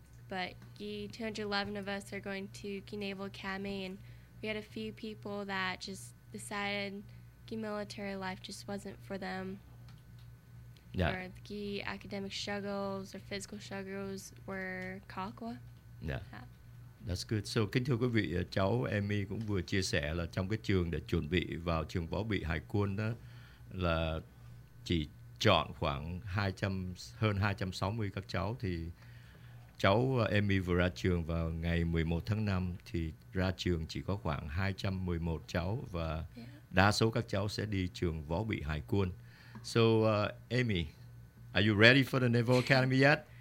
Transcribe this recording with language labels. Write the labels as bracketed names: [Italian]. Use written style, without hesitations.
[English] But the 211 of us are going to the Naval Academy, and we had a few people that just decided the military life just wasn't for them. Yeah. Or the academic struggles or physical struggles were Kakwa. Yeah. That's good. [Vietnamese] So, kính thưa quý vị, cháu Amy cũng vừa chia sẻ là trong cái trường để chuẩn bị vào trường võ bị Hải quân đó là chỉ chọn khoảng hơn 260 các cháu, thì cháu Amy vừa ra trường vào ngày 11 tháng 5 thì ra trường chỉ có khoảng 211 cháu và đa số các cháu sẽ đi trường võ bị Hải quân. [English] So, Amy, are you ready for the Naval Academy yet?